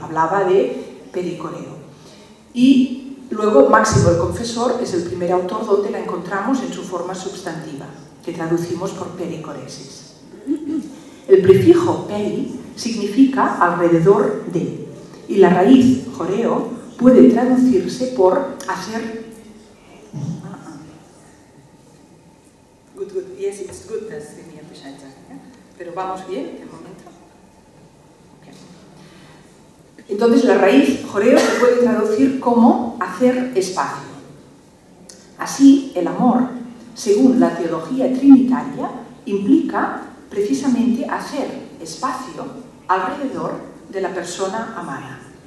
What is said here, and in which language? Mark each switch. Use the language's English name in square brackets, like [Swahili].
[Spanish] Hablaba de pericoreo. Y luego Máximo el Confesor es el primer autor donde la encontramos en su forma sustantiva, que traducimos por perichoresis. El prefijo peri significa alrededor de, y la raíz choreo puede traducirse por hacer. [English] Yes, it's good, that's in the English, yeah? [Spanish] Pero vamos bien, de momento. [English] Okay. [Spanish] Entonces, la raíz choreo se puede traducir como hacer espacio. Así, el amor, según la teología trinitaria, implica precisamente hacer espacio alrededor de la persona amada.